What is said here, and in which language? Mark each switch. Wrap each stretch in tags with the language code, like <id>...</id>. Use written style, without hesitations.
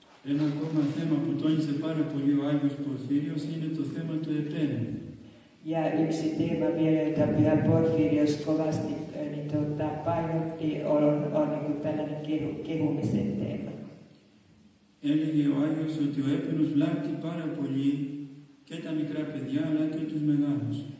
<el>Ένα ακόμα θέμα που τόνισε πάρα πολύ ο Άγιος Πορφύριος είναι το θέμα του ΕΠΕΝ.</el> <fi>Ja yksi teema vielä, jota Pyhä Porfirios kovasti niin painotti, on niin kuin tällainen kehumisen teema.</fi> <el>Έλεγε ο Άγιος ότι ο έπαινος βλάπτει πάρα πολύ και τα μικρά παιδιά αλλά και τους μεγάλους.</el>